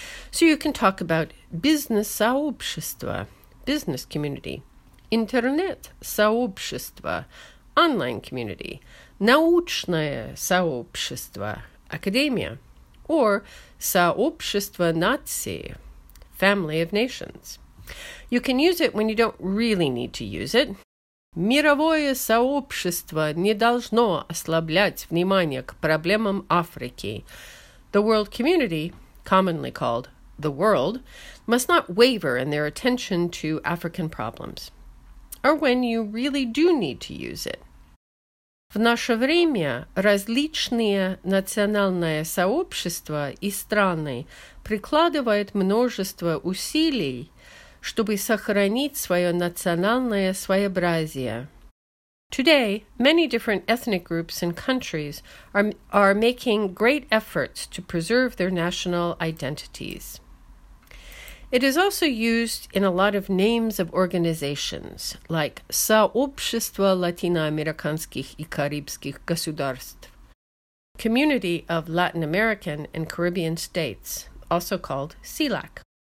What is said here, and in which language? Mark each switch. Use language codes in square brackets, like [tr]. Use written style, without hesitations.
[en] So you can talk about business сообщество, business community, internet сообщество, online community, научное сообщество, academia, or сообщество наций, family of nations. You can use it when you don't really need to use it. [ru] Мировое сообщество не должно ослаблять внимание к проблемам Африки. [en] The world community, commonly called the world, must not waver in their attention to African problems. Or when you really do need to use it. [ru] В наше время различные национальные сообщества и страны прикладывают множество усилий, чтобы сохранить свое национальное своеобразие. [en] Today, many different ethnic groups and countries are making great efforts to preserve their national identities. It is also used in a lot of names of organizations, like Сообщество Латиноамериканских и Карибских Государств, Community of Latin American and Caribbean States, also called CELAC.